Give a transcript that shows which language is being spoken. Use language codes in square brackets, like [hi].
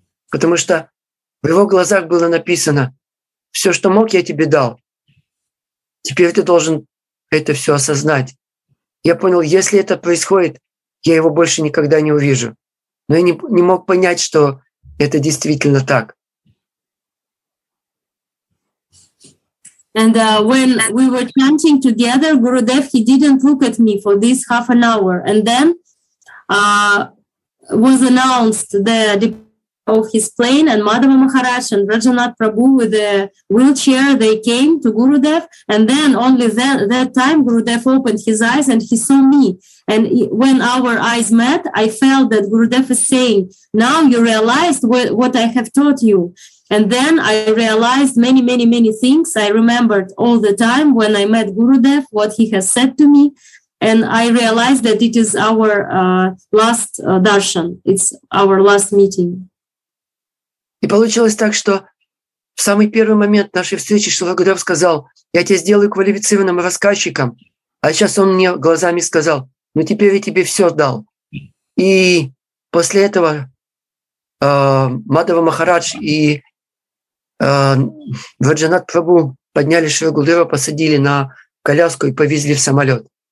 [ru] Потому что в его глазах было написано, все, что мог, я тебе дал. Теперь ты должен это все осознать. Я понял, если это происходит, я его больше никогда не увижу. Но я не мог понять, что это действительно так. [en] And when we were chanting together, Gurudev, he didn't look at me for this half an hour. And then was announced the of his plane, and Madhava Maharaj and Rajanath Prabhu with the wheelchair, they came to Gurudev, and then only then that time Gurudev opened his eyes and he saw me. And when our eyes met, I felt that Gurudev is saying, now you realized what I have taught you. And then I realized many, many, many things. I remembered all the time when I met Gurudev, what he has said to me. And I realized that it is our last darshan. It's our last meeting. [ru] И получилось так, что в самый первый момент нашей встречи Шрила Гурудев сказал, я тебя сделаю квалифицированным рассказчиком. А сейчас он мне глазами сказал, ну теперь я тебе все дал. И после этого Мадхава Махарадж и Раджанат Прабу подняли Шрила Гурудева, посадили на коляску и повезли в самолет.